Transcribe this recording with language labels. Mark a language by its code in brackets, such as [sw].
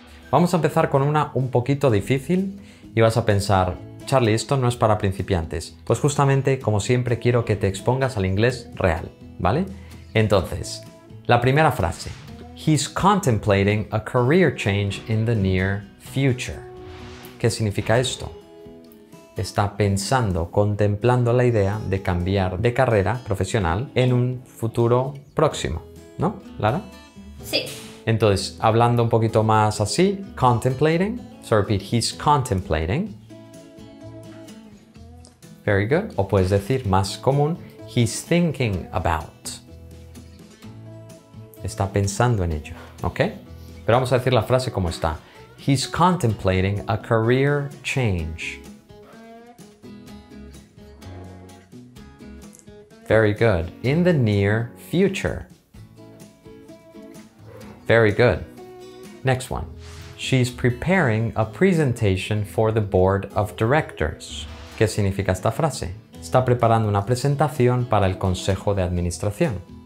[es] Vamos a empezar con una un poquito difícil y vas a pensar, Charlie, esto no es para principiantes. Pues justamente, como siempre, quiero que te expongas al inglés real, ¿vale? Entonces, la primera frase. [en] He's contemplating a career change in the near future. [es] ¿Qué significa esto? Está pensando, contemplando la idea de cambiar de carrera profesional en un futuro próximo, ¿no, Lara? Sí. Entonces, hablando un poquito más así, contemplating, [en] so repeat, he's contemplating. Very good. [es] O puedes decir, más común, [en] he's thinking about. [es] Está pensando en ello, ¿ok? Pero vamos a decir la frase como está. [en] He's contemplating a career change. Very good. In the near future. Very good. Next one. She's preparing a presentation for the board of directors. [es] ¿Qué significa esta frase? Está preparando una presentación para el consejo de administración.